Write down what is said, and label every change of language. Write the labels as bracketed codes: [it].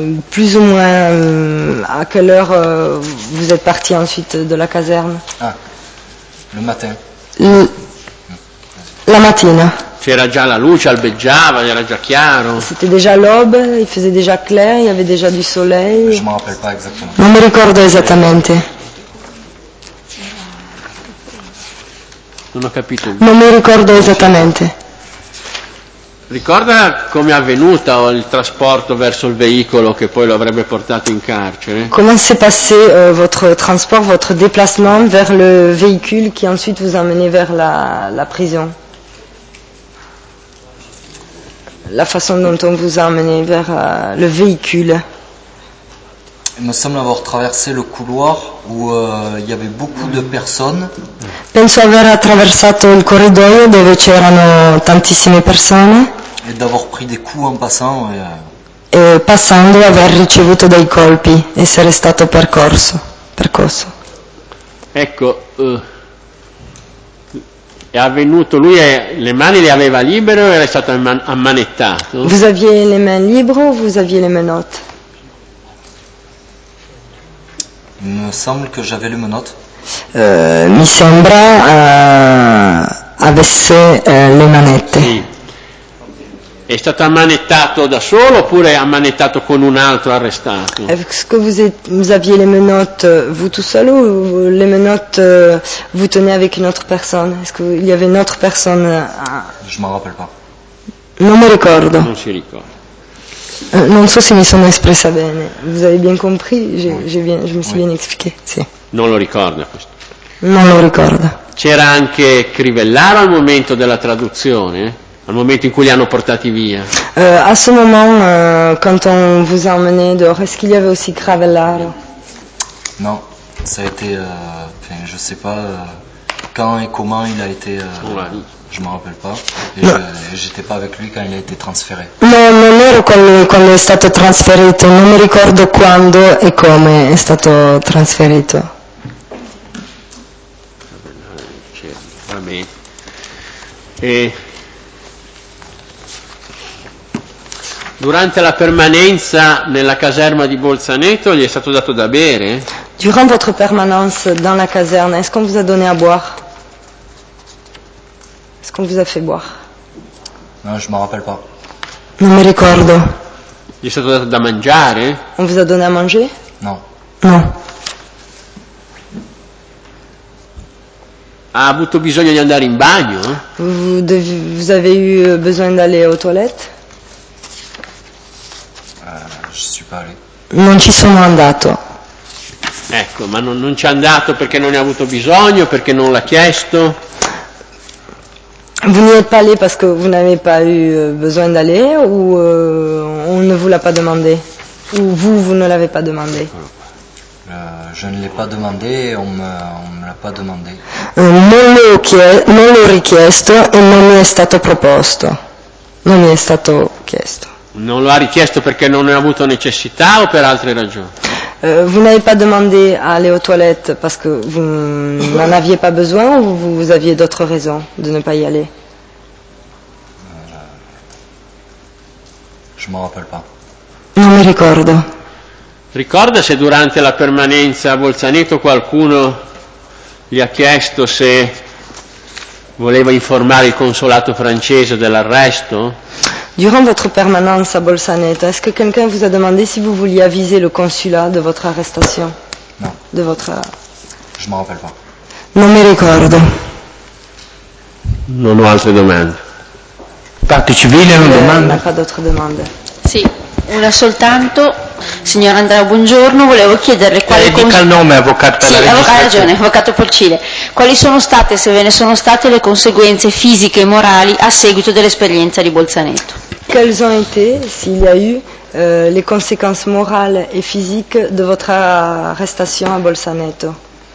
[fr] Plus ou moins, à quelle heure vous êtes parti ensuite de la caserne? Ah, le matin. [it] La mattina. C'era già la luce, albeggiava, era già chiaro. [fr] C'était déjà l'aube, il faisait déjà clair, il y avait déjà du soleil. Je m'en rappelle pas exactement. [it] Non mi ricordo esattamente. Non ho capito. Non mi ricordo esattamente. Ricorda come è avvenuto il trasporto verso il veicolo che poi lo avrebbe portato in carcere? [fr] Come s'est passé votre transport, votre déplacement vers le véhicule qui ensuite vous a mené vers la prison? La façon dont on vous a amené vers le véhicule. Il me semble avoir traversé le couloir où il y avait beaucoup de personnes. [it] Penso aver attraversato il corridoio dove c'erano tantissime persone. [fr] Et d'avoir pris des coups en passant. [it] Et passando aver ricevuto dei colpi, essere stato percorso. Ecco, è avvenuto, lui è, le mani le aveva libere o era stato ammanettato? [fr] Vous aviez les mains libres ou vous aviez les menottes? Il me semble que j'avais le menotte. [it] Mi sembra avesse le manette. Sì. È stato ammanettato da solo oppure ammanettato con un altro arrestato? [fr] Est-ce que vous aviez les menottes vous tout seul ou les menottes vous tenez avec une autre personne? Est-ce qu'il y avait une autre personne? Je m'en rappelle pas. [it] Non mi ricordo. Non si ricorda. Non so se mi sono espressa bene. Vous avez bien compris? Je me suis bien expliqué. Sì. Non lo ricorda questo. Non lo ricorda. C'era anche Crivellaro al momento della traduzione, al momento in cui li hanno portati via. [fr] A ce moment quand on vous a emmené dehors, est-ce qu'il y avait aussi Crivellaro? Non, ça a été je sais pas quand et comment il a été je m'en rappelle pas et j'étais pas avec lui quand il a été transféré. [it] Non ero con lui quando è stato trasferito, non mi ricordo quando e come è stato trasferito. Va bene. E durante la permanenza nella caserma di Bolzaneto gli è stato dato da bere? [fr] Durant votre permanence dans la caserne, est-ce qu'on vous a donné à boire? Est-ce qu'on vous a fait boire? Non, je m'en rappelle pas. [it] Non mi ricordo. Gli è stato dato da mangiare? [fr] On vous a donné à manger? Non. [it] Non. Ha avuto bisogno di andare in bagno? [fr] Vous avez eu besoin d'aller aux toilettes? Je suis pas allé. [it] Non ci sono andato. Ecco, ma non c'è andato perché non ne ha avuto bisogno, perché non l'ha chiesto? [fr] Vous n'y êtes pas allé parce que vous n'avez pas eu besoin d'aller ou on ne vous l'a pas demandé? Ou vous ne l'avez pas demandé? Je ne l'ai pas demandé, on me l'a pas demandé. [it] Non l'ho richiesto e non mi è stato proposto. Non mi è stato chiesto. Non lo ha richiesto perché non ne ha avuto necessità o per altre ragioni? [fr] Vous n'avez pas demandé à aller aux toilettes parce que vous n'en aviez pas besoin ou vous aviez d'autres raisons de ne pas y aller? Je m'en rappelle pas. [it] Non mi ricordo. Ricorda se durante la permanenza a Bolzaneto qualcuno gli ha chiesto se voleva informare il consolato francese dell'arresto? [fr] Durant votre permanence à Bolzaneto, est-ce que quelqu'un vous a demandé si vous vouliez aviser le consulat de votre arrestation? Non. De votre... Je m'en rappelle pas. [it] Non mi ricordo. Non ho altre domande. Parte civile, una domanda? Non ho [fr] pas d'autres demandes. [it] Sì, una soltanto. Signor Andrea, buongiorno, volevo chiederle quale... dica il nome, avvocato della registrazione. Sì, ha ragione, avvocato Porcile. Quali sono state, se ve ne sono state, le conseguenze fisiche e morali a seguito dell'esperienza di Bolzaneto? [fr] Quelles ont été, s'il y a eu, [it] le conseguenze morali e fisiche [fr] de votre arrestation a Bolzaneto?